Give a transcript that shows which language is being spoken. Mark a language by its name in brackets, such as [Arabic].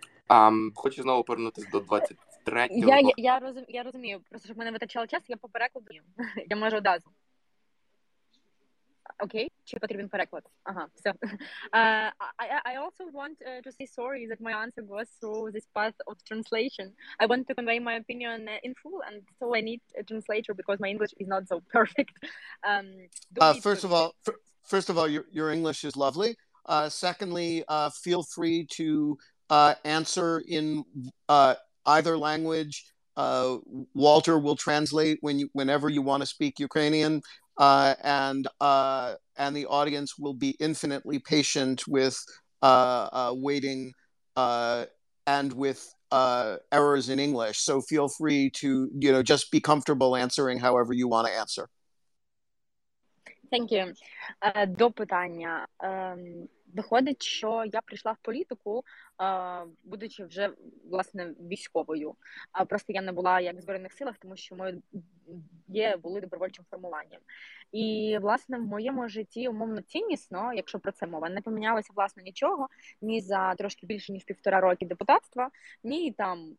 [Ukrainian] Хочу знову повернутися до 23-го. Я розумію, просто щоб мене витрачало час, я по перекладу. Я можу одразу. Okay, чи потрібен переклад? Ага, все. [English] I also want to say sorry that my answer goes through this path of translation. I want to convey my opinion in full, and so I need a translator because my English is not so perfect. First of all, your English is lovely. Secondly, feel free to answer in either language. Walter will translate whenever you want to speak Ukrainian. And the audience will be infinitely patient with waiting and with errors in English. So feel free to, you know, just be comfortable answering however you want to answer. Thank you. [Ukrainian] До питання. Виходить, що я прийшла в політику, будучи вже, власне, військовою. Просто я не була як в Збройних силах, тому що ми є, були добровольчим формуванням. І, власне, в моєму житті умовно ціннісно, якщо про це мова, не помінялося, власне, нічого, ні за трошки більше, ніж півтора роки депутатства, ні там.